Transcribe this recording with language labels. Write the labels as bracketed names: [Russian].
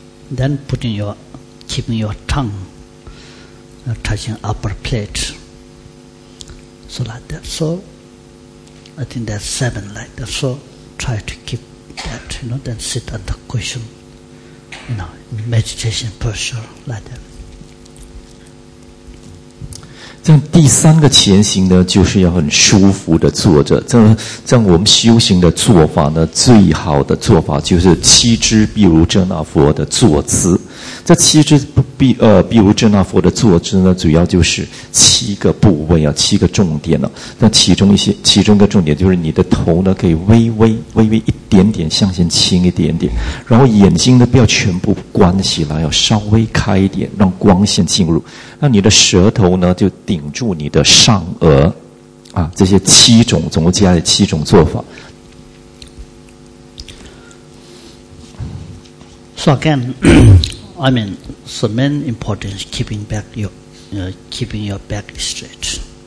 [English] Then keeping your tongue touching upper plate. So like that. So I think that's seven like that. So try to keep that, then sit on the cushion, in meditation posture like that. [Chinese] 这样第三个前行呢，就是要很舒服的坐着。这样我们修行的做法呢，最好的做法就是七支毗卢遮那佛的坐姿。这七支毗卢遮那佛的坐姿呢，主要就是七个部位啊，七个重点啊。那其中一个重点就是你的头呢，可以微微一点点向前倾一点点，然后眼睛呢不要全部关起来，要稍微开一点，让光线进入。那你的舌头呢，就顶住你的上颚，啊，这些七种，总共加起来七种做法。 [English] So again, I mean, the main importance is keeping your back straight.